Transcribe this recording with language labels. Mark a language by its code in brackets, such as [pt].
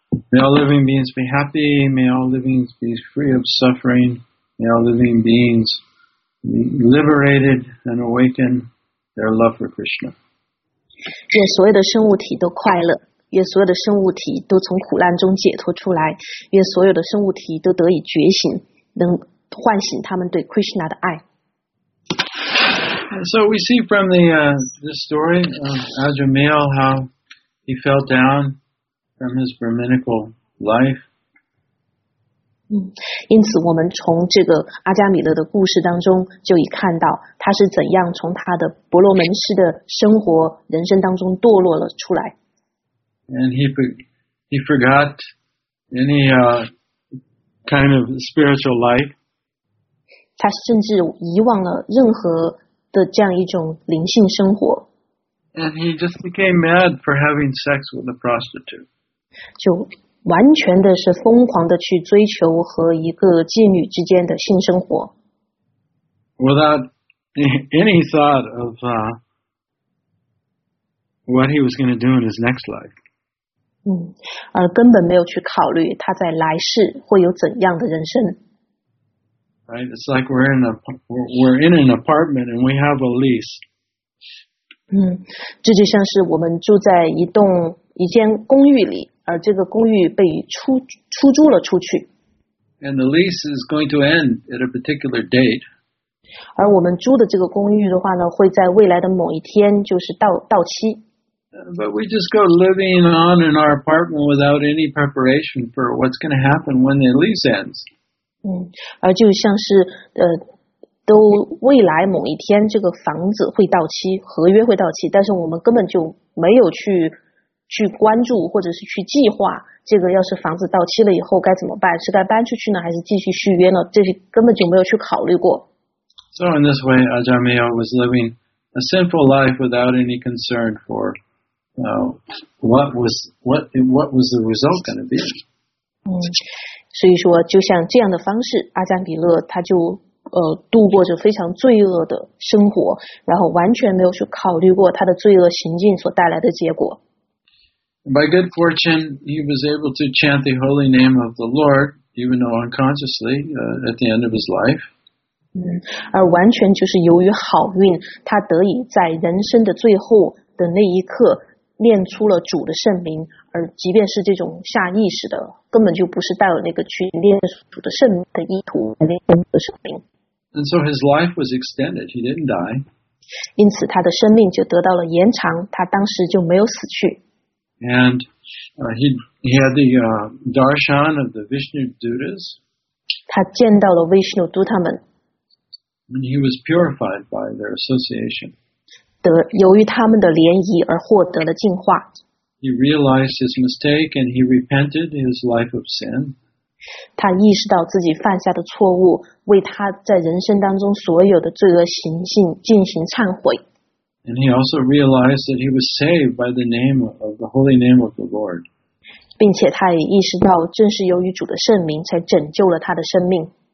[en] May all living beings be happy. May all living beings be free of suffering. May all living beings be liberated and awaken their love for Krishna. [zh] 愿所有的生物体都快乐，愿所有的生物体都从苦难中解脱出来，愿所有的生物体都得以觉醒，能唤醒他们对 Krishna 的爱。 [en] So we see from the story of Ajamil how he fell down. From his brahminical life. [zh] 因此我们从这个阿加米勒的故事当中就已看到他是怎样从他的婆罗门师的生活人生当中堕落了出来。 [en] And he forgot any kind of spiritual life. [zh] 他甚至遗忘了任何的这样一种灵性生活。 [en] And he just became mad for having sex with a prostitute. [zh] 就完全的是疯狂的去追求和一个妓女之间的性生活。 [en] Without any thought of what he was going to do in his next life. [zh] 而根本没有去考虑他在来世会有怎样的人生。 [en] Right, it's like we're in an apartment and we have a lease. [zh] 这就像是我们住在一间公寓里。而这个公寓被出租了出去。 [en] And the lease is going to end at a particular date. [zh] 而我们租的这个公寓的话呢，会在未来的某一天就是到期。 [en] But we just go living on in our apartment without any preparation for what's going to happen when the lease ends. [zh] 而就像是都未来某一天这个房子会到期，合约会到期，但是我们根本就没有去关注或者是去计划这个要是房子到期了以后该怎么办，是该搬出去呢还是继续续约呢，这些根本就没有去考虑过。 [en] So in this way, Ajahn Mio was living a simple life without any concern for what was the result going to be. [zh] 所以说就像这样的方式阿赞比勒他就度过着非常罪恶的生活然后完全没有去考虑过他的罪恶行径所带来的结果。 [en] By good fortune, he was able to chant the holy name of the Lord, even though unconsciously, at the end of his life. [zh] 而完全就是由于好运他得以在人生的最后的那一刻念出了主的圣名而即便是这种下意识的根本就不是带有那个去念主的圣名的意图来念主的圣名。 [en] And so his life was extended, he didn't die. [zh] 因此他的生命就得到了延长他当时就没有死去。 [en] And he had the darshan of the Vishnu Duttas. [zh] 他见到了 Vishnu Dutta 们。 [en] And he was purified by their association. [zh] 由于他们的联谊而获得了净化。 [en] He realized his mistake and he repented his life of sin. [zh] 他意识到自己犯下的错误，为他在人生当中所有的罪恶行径进行忏悔。 [en] And he also realized that he was saved by the name of the holy name of the Lord. [zh] 并且他也意识到，正是由于主的圣名才拯救了他的生命。